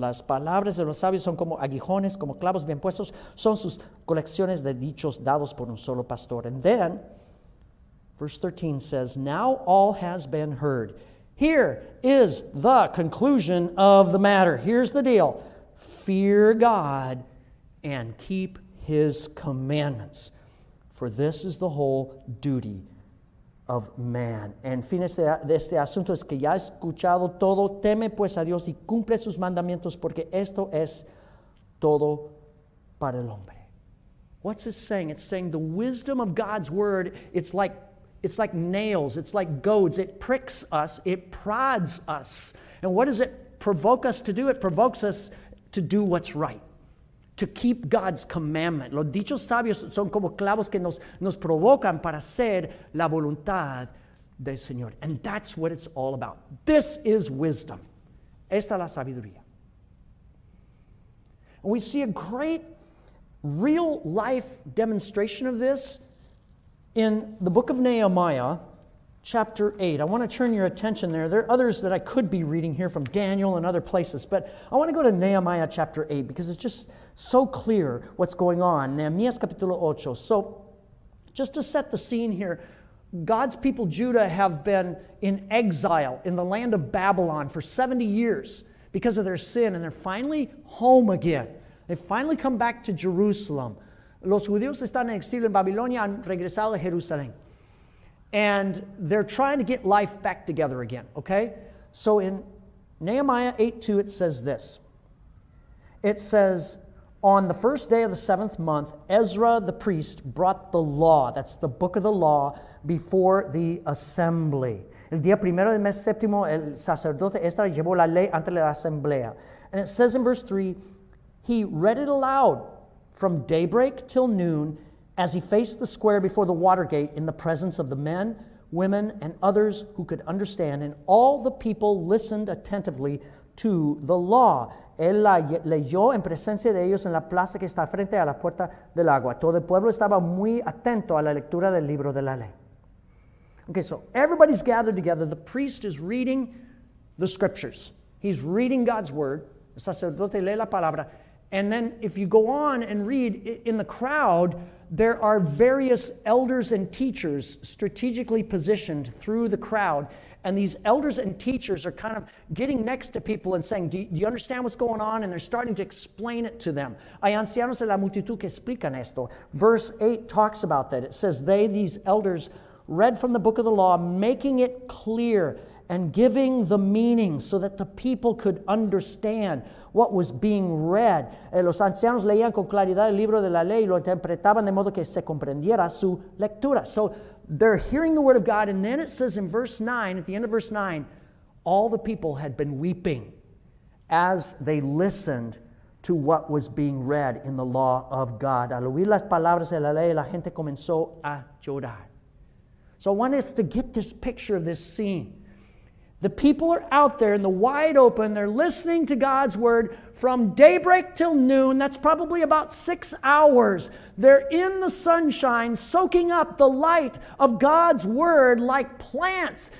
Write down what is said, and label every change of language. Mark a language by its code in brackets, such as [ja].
[es] Las palabras de los sabios son como aguijones, como clavos bien puestos. Son sus colecciones de dichos dados por un solo pastor. [en] And then, verse 13 says, now all has been heard. Here is the conclusion of the matter. Here's the deal. Fear God and keep His commandments. For this is the whole duty of man. [es] En fin, este asunto es que ya he escuchado todo. Teme pues a Dios y cumple sus mandamientos porque esto es todo para el hombre. [en] What's it saying? It's saying the wisdom of God's word, it's like nails, it's like goads. It pricks us, it prods us. And what does it provoke us to do? It provokes us to do what's right, to keep God's commandment. [es] Los dichos sabios son como clavos que nos provocan para hacer la voluntad del Señor. [en] And that's what it's all about. This is wisdom. [es] Esa es la sabiduría. [en] And we see a great real life demonstration of this in the book of Nehemiah, chapter 8. I want to turn your attention there. There are others that I could be reading here from Daniel and other places, but I want to go to Nehemiah chapter 8 because it's just so clear what's going on. Nehemiah capítulo 8. So just to set the scene here, God's people Judah have been in exile in the land of Babylon for 70 years because of their sin, and they're finally home again. They finally come back to Jerusalem. [es] Los judíos están en exilio en Babilonia, han regresado a Jerusalén. [en] And they're trying to get life back together again, okay? So in Nehemiah 8:2, it says this. It says, on the first day of the seventh month, Ezra the priest brought the law, that's the book of the law, before the assembly. [es] El día primero del mes séptimo, el sacerdote Ezra llevó la ley ante la asamblea. [en] And it says in verse 3, he read it aloud from daybreak till noon as he faced the square before the water gate in the presence of the men, women, and others who could understand. And all the people listened attentively to the law. [es] Él la leyó en presencia de ellos en la plaza que está frente a la puerta del agua. Todo el pueblo estaba muy atento a la lectura del libro de la ley. [en] Okay, so everybody's gathered together. The priest is reading the scriptures. He's reading God's word. [es] El sacerdote lee la palabra. [en] And then if you go on and read in the crowd, there are various elders and teachers strategically positioned through the crowd. And these elders and teachers are kind of getting next to people and saying, do you understand what's going on? And they're starting to explain it to them. [es] Hay ancianos de la multitud que explican esto. [en] Verse 8 talks about that. It says, they, these elders, read from the book of the law, making it clear and giving the meaning so that the people could understand what was being read. [es] Los ancianos leían con claridad el libro de la ley y lo interpretaban de modo que se comprendiera su lectura. [en] So they're hearing the word of God, and then it says in verse 9, at the end of verse 9, all the people had been weeping as they listened to what was being read in the law of God. [es] Al oír las palabras de la ley, la gente comenzó a llorar. [en] So I want us to get this picture of this scene. The people are out there in the wide open. They're listening to God's word from daybreak till noon. That's probably about 6 hours. They're in the sunshine, soaking up the light of God's word like plants.